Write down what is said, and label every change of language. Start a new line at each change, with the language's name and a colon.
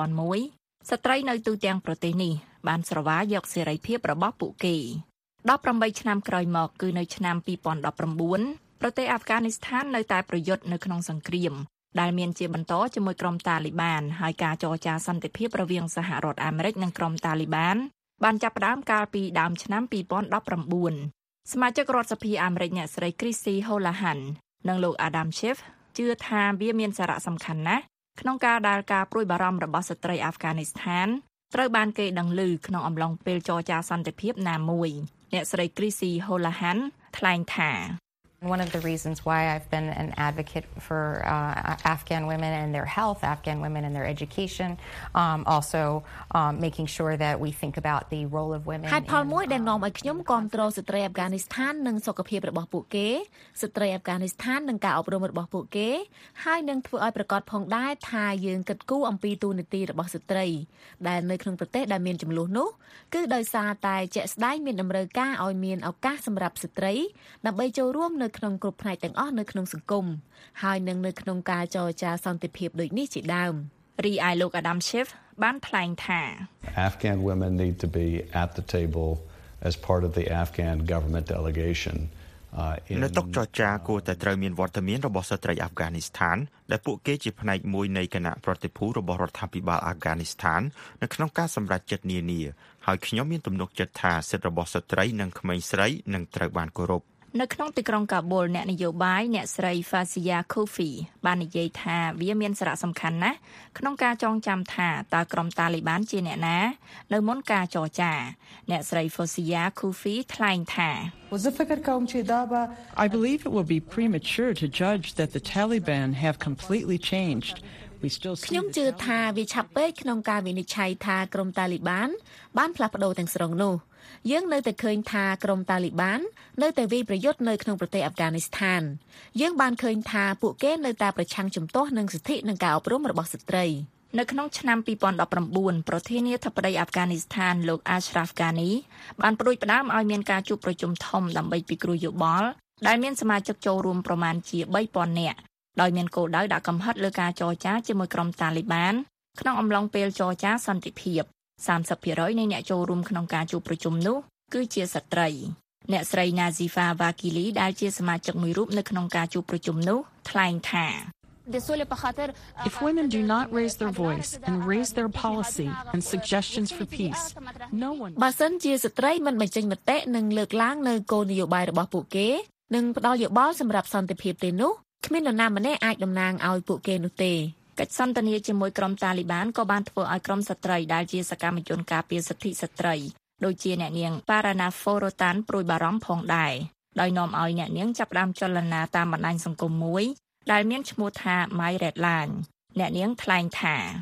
Khmer: 2001ស្ត្រីនៅទូទាំងប្រទេសនេះបានស្រវាយកសេរីភាពរបស់ពួកគេ18ឆ្នាំក្រោយមកគឺនៅឆ្នាំ2019ប្រទេសអាហ្វហ្គានីស្ថាននៅតែប្រយុទ្ធនៅក្នុងសង្គ្រាមដែលមានជាបន្តជាមួយក្រុមតាលីបានហើយការចរចាសន្តិភាពរវាងសហរដ្ឋអាមេរិកនិងក្រុមតាលីបានបានចាប់ផ្ដើមកាលពីដើមឆ្នាំ2019សមាជិករដ្ឋសភាអាមេរិកអ្នកស្រីគ្រីស៊ីហូឡាហាន និងលោកអាដាមឈីហ្វជឿថាវាមានសារៈសំខាន់ណាស់ក្នុងការដាល់ការប្រួយបារម្ភរបស់ស្ត្រីអាហ្វហ្គានីស្ថានត្រូវបានគេដឹងឮក្នុងអំឡុងពេលចរចាសន្តិភាពណាមួយអ្នកស្រីគ្រីស៊ីហូឡាហានថ្លែងថា
English: One of the reasons why I've been an advocate for Afghan women and their health, Afghan women and their education, also making sure that we think about the role of women.
Khmer: ហើយផលមួយដែលនាំឲ្យខ្ញុំគាំទ្រស្ត្រីអាហ្វហ្គានីស្ថាននិងសុខភាពរបស់ពួកគេស្ត្រីអាហ្វហ្គានីស្ថាននិងការអប់រំរបស់ពួកគេហើយនឹងធ្វើឲ្យប្រកាសផងដែរថាយើងគិតគូរអំពីទូនីតិរបស់ស្ត្រីដែលនៅក្នុងប្រទេសដែលមានចំនួននោះគឺដោយសារតែជាក់ស្ដែងមានតម្រូវការឲ្យមានឱកាសសម្រាប់ស្ត្រីដើម្បីចូលរួមក្នុងក្របផ្នែកទាំងអស់នៅក្នុងសង្គមហើយនឹងនៅក្នុងការចរចាសន្តិភាពដូចនេះជាដើម រីឯលោកអាដាមឈីហ្វបានថ្លែងថា
English: Afghan women need to be at the table as part of the Afghan government delegation
Khmer: នៅតុចរចាគួរតែត្រូវមានវត្តមានរបស់ស្ត្រីអាហ្វហ្គានីស្ថានដែលពួកគេជាផ្នែកមួយនៃគណៈប្រតិភូរបស់រដ្ឋាភិបាលអាហ្វហ្គានីស្ថាននៅក្នុងការសម្រេចចិត្តនានាហើយខ្ញុំមានទំនុកចិត្តថាសិទ្ធិរបស់ស្ត្រីនិងក្មេងស្រីនឹងត្រូវបានគោរព នៅក្នុងទីក្រុងកាប៊ុលអ្នកនយោបាយអ្នកស្រី Fasiya Kofi បាននិយាយថាវាមានសារៈសំខាន់ណាស់ក្នុងការចងចាំថាតើក្រុមតាលីបានជាអ្នកណានៅមុនការចរចាអ្នកស្រី Fasiya Kofi ថ្លែងថា
English: I believe it will be premature to judge that the Taliban have completely changed.
Khmer: ខ្ញុំជឿថាវាឆាប់ពេកក្នុងការវិនិច្ឆ័យថាក្រុមតាលីបានបានផ្លាស់ប្ដូរទាំងស្រុងនោះយើងនៅតែឃើញថាក្រុមតាលីបាននៅតែវាយប្រយុទ្ធនៅក្នុងប្រទេសអាហ្វហ្គានីស្ថានយើងបានឃើញថាពួកគេនៅតែប្រឆាំងជំទាស់នឹងសិទ្ធិនិងការអប់រំរបស់ស្ត្រី នៅក្នុងឆ្នាំ2019ប្រធានាធិបតីអាហ្វហ្គានីស្ថានលោក Ashraf Ghani បានប្តួយផ្តើមឲ្យមានការជួបប្រជុំធំដើម្បីពិគ្រោះយោបល់ដែលមានសមាជិកចូលរួមប្រមាណជា 3,000 នាក់ដោយមានគោលដៅដាក់កំហិតលើការចរចាជាមួយក្រុមតាលីបានក្នុងអំឡុងពេលចរចាសន្តិភាព 30% នៃអ្នកចូលរួមក្នុងការជួបប្រជុំនោះគឺជាស្ត្រីអ្នកស្រី Nazifa Vakili ដែលជាសមាជិកមួយរូបនៅក្នុងការជួបប្រជុំនោះថ្លែងថា
English: If women do not raise their voice and raise their policy and suggestions for peace, no one
Khmer: បើសិនជាស្ត្រីមិនបញ្ចេញមតិនិងលើកឡើងនូវគោលនយោបាយរបស់ពួកគេនិងផ្ដល់យោបល់សម្រាប់សន្តិភាពទេនោះគ្មាននរណាម្នាក់អាចតំណាងឲ្យពួកគេនោះទេ កិច្ចសន្ទនាជាមួយក្រុមតាលីបានក៏បានធ្វើឲ្យក្រុមស្ត្រីដែលជាសកម្មជនការពារសិទ្ធិស្ត្រីដូចជាអ្នកនាងប៉ារ៉ាណាហ្វូរ៉ូតានប្រួយបារម្ភផងដែរដោយនាំឲ្យអ្នកនាងចាប់ផ្ដើមចលនាតាមបណ្ដាញសង្គមមួយដែលមានឈ្មោះថា My Red Line អ្នកនាងថ្លែងថា